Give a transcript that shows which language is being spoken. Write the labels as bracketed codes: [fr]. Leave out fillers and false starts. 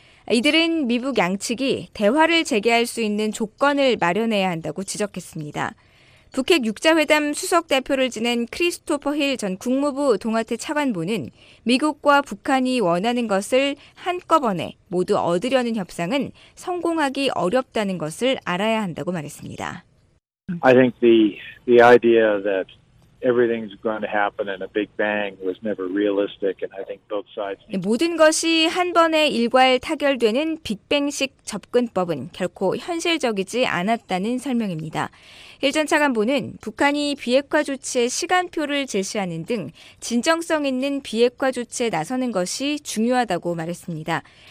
[ko] 이들은 미북 양측이 대화를 재개할 수 있는 조건을 마련해야 한다고 지적했습니다. 북핵 6자회담 수석대표를 지낸 크리스토퍼 힐 전 국무부 동아태 차관보는 미국과 북한이 원하는 것을 한꺼번에 모두 얻으려는 협상은 성공하기 어렵다는 것을 알아야 한다고 말했습니다. [en] I think the idea that everything's going to happen in a big bang was never realistic and I think both sides [ko] 모든 것이 한 번에 일괄 타결되는 빅뱅식 접근법은 결코 현실적이지 않았다는 설명입니다. 일 전 차관보는 북한이 비핵화 조치의 시간표를 제시하는 등 진정성 있는 비핵화 조치에 나서는 것이 중요하다고 말했습니다.